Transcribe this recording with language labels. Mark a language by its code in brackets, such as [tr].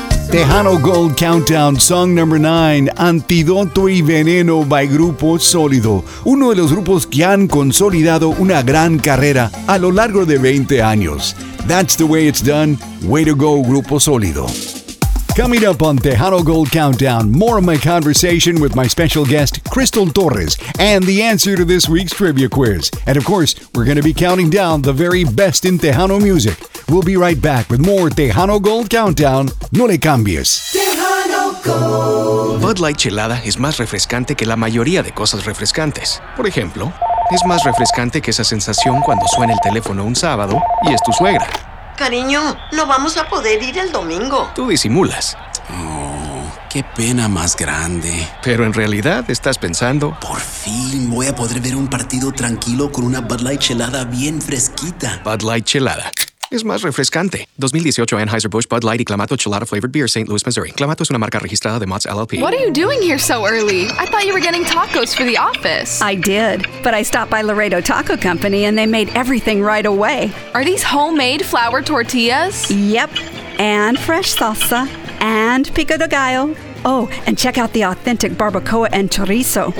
[es] Tejano Gold Countdown, [en] song number 9, [es] Antídoto y Veneno by Grupo Sólido, uno de los grupos que han consolidado una gran carrera a lo largo de 20 años. [en] That's the way it's done. Way to go, Grupo Sólido. Coming up on Tejano Gold Countdown, more of my conversation with my special guest, Crystal Torres, and the answer to this week's trivia quiz. And of course, we're going to be counting down the very best in Tejano music. We'll be right back with more Tejano Gold Countdown. [es] No le cambies. [en] Tejano Gold. [es] Bud Light Chelada es más refrescante que la mayoría de cosas refrescantes. Por ejemplo, Es más refrescante que esa sensación cuando suena el teléfono un sábado y es tu suegra. Cariño, no vamos a poder ir el domingo. Tú disimulas. Oh, qué pena más grande. Pero en realidad estás pensando... Por fin voy a poder ver un partido tranquilo con una Bud Light chelada bien fresquita. Bud Light chelada. Es más refrescante. 2018 Anheuser-Busch Bud Light y Clamato Chelada Flavored Beer, St. Louis, Missouri. Clamato es una marca registrada de Mott's LLP. [en] What are you doing here so early? I thought you were getting tacos for the office. I did, but I stopped by Laredo Taco Company and they made everything right away. Are these homemade flour tortillas? Yep, and fresh salsa, and pico de gallo. Oh, and check out the authentic barbacoa and chorizo.